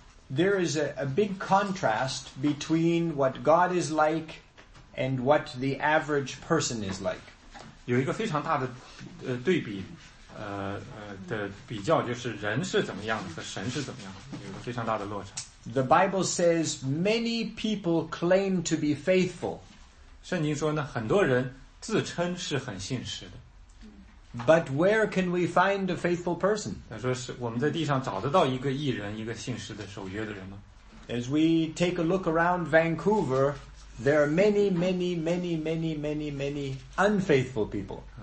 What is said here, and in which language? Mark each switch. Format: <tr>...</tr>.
<en>There is a big contrast between what God is like and what the average person is like.</en> <zh>有一个非常大的对比，的比较就是人是怎么样和神是怎么样，有一个非常大的落差。</zh> <en>The Bible says many people claim to be faithful.</en> <zh>圣经说呢，很多人自称是很信实的。</zh> <en>But where can we find a faithful person?</en> <zh>他说是我们在地上找得到一个义人，一个信实的守约的人吗？</zh> <en>As we take a look around Vancouver, there are many, many, many, many, many, many unfaithful people.</en>